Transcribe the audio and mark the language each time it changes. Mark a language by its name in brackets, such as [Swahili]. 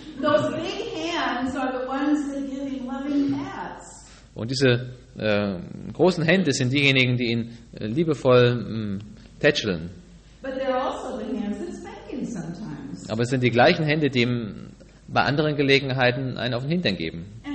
[English] Those big hands are the ones that give him loving pats. [German] Und diese großen Hände sind diejenigen, die ihn liebevoll tätscheln. [English] But they're also the hands that spank him sometimes. [German] Aber es sind die gleichen Hände, die ihm bei anderen Gelegenheiten einen auf den Hintern geben.